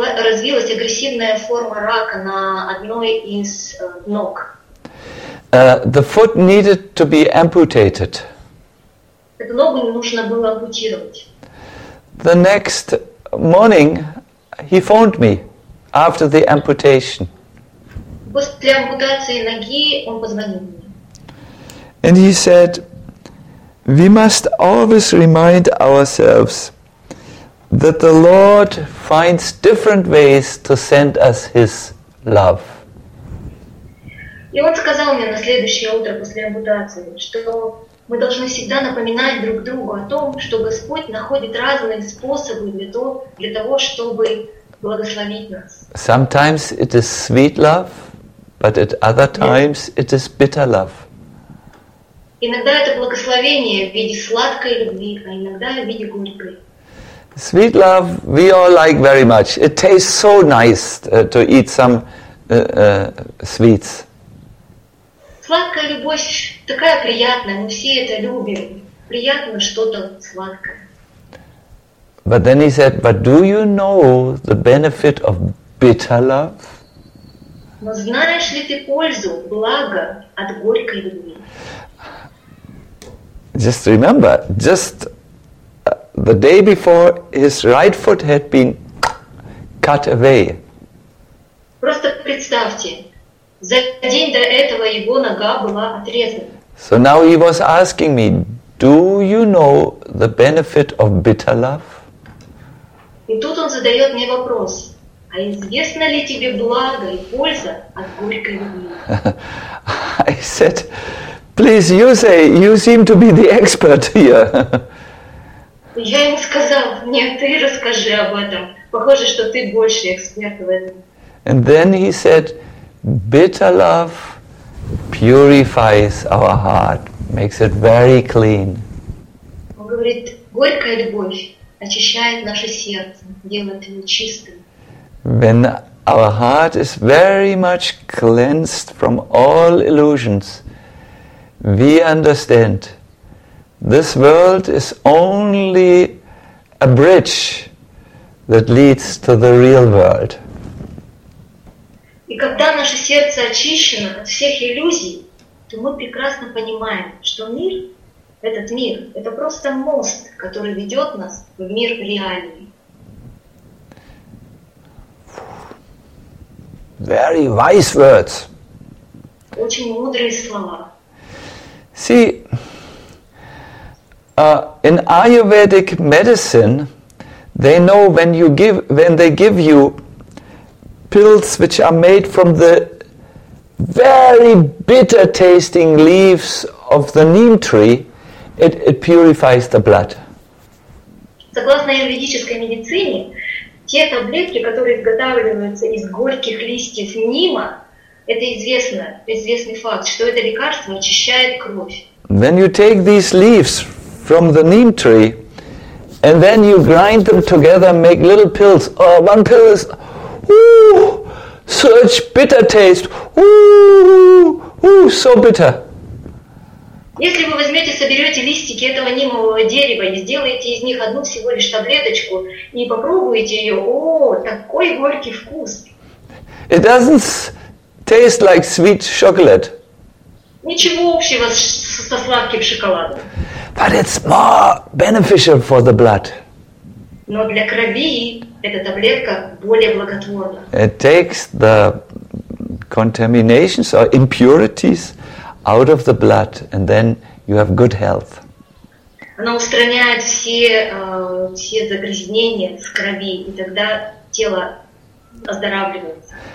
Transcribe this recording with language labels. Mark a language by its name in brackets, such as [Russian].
[Russian] Развилась агрессивная форма рака на одной из ног. [English] The foot needed to be amputated. [Russian] Эту ногу нужно было ампутировать. [English] The next morning, he phoned me after the amputation. [Russian] После ампутации ноги он позвонил мне. [English] And he said, "We must always remind ourselves that the Lord finds different ways to send us His love." [Russian] И он сказал мне на следующее утро после ампутации, что мы должны всегда напоминать друг другу о том, что Господь находит разные способы для того, чтобы благословить нас. [English] Sometimes it is sweet love, but at other times it is bitter love. [Russian] Иногда это благословение в виде сладкой любви, а иногда в виде горькой. [English] Sweet love we all like very much. It tastes so nice to eat some sweets. [Russian] Сладкая любовь такая приятная, мы все это любим. Приятно что-то сладкое. [English] But then he said, "But do you know the benefit of bitter love?" [Russian] Но знаешь ли ты пользу, благо от горькой любви? [English] Just remember, just the day before, his right foot had been cut away. [Russian] Просто представьте, за день до этого его нога была отрезана. [English] So now he was asking me, "Do you know the benefit of bitter love?" [Russian] И тут он задает мне вопрос: а известно ли тебе благо и польза от горькой любви? [English] I said, "Please, you say, you seem to be the expert here." [Russian] Я ему сказал, нет, ты расскажи об этом. Похоже, что ты больше эксперт в этом. [English] And then he said, "Bitter love purifies our heart, makes it very clean." [Russian] Он говорит, горькая любовь очищает наше сердце, делает его чистым. [English] When our heart is very much cleansed from all illusions, we understand this world is only a bridge that leads to the real world. [Russian] И когда наше сердце очищено от всех иллюзий, то мы прекрасно понимаем, что мир, этот мир, это просто мост, который ведет нас в мир реальный. [English] Very wise words. [Russian] Очень мудрые слова. [English] See, in Ayurvedic medicine, they know when you give, when they give you pills which are made from the very bitter tasting leaves of the neem tree, it purifies the blood. [Russian] Согласно аюрведической медицине, те таблетки, которые изготавливаются из горьких листьев нима, это известный факт, что это лекарство очищает кровь. [English] When you take these leaves from the neem tree and then you grind them together and make little pills, one pill is, ooh, such bitter taste, ooh, ooh, so bitter. [Russian] Если вы возьмете, соберете листики этого нимового дерева и сделаете из них одну всего лишь таблеточку и попробуете ее, о, такой горький вкус. [English] It doesn't taste like sweet chocolate. [Russian] Ничего общего со сладким шоколадом. [English] But it's more beneficial for the blood. [Russian] Но для крови эта таблетка более благотворна. [English] It takes the contaminations or impurities out of the blood, and then you have good health. [Russian] Она устраняет все загрязнения с крови, и тогда тело оздоравливается.